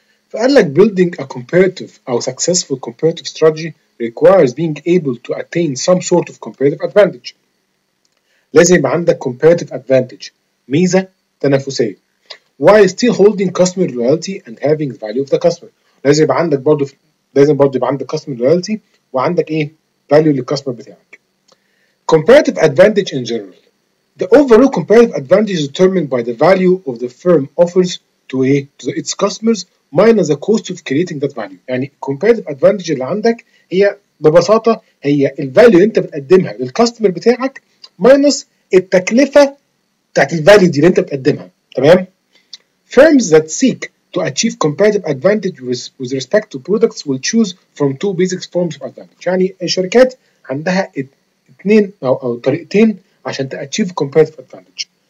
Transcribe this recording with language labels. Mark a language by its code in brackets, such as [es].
[ar] فقال لك [en] building a competitive أو successful competitive strategy requires being able to attain some sort of competitive advantage. [ar] لازم عندك [en] competitive advantage، [ar] ميزة تنافسية، [en] while still holding customer loyalty and having the value of the customer. [ar] لازم برضو يبقى عندك customer loyalty وعندك إيه value للcustomer بتاعك. [en] Competitive advantage in general. The overall competitive advantage is determined by the value of the firm offers to its customers minus the cost of creating that value. [ar] يعني competitive advantage اللي عندك هي ببساطة هي الvalue انت بتقدمها للcustomer بتاعك minus التكلفة بتاعت الvalue دي اللي انت بتقدمها. [en] تمام؟ Firms that seek to achieve competitive advantage with respect to products will choose from two basic forms of advantage. [ar] يعني الشركات عندها اثنين او طريقتين عشان تأتشيف competitive advantage.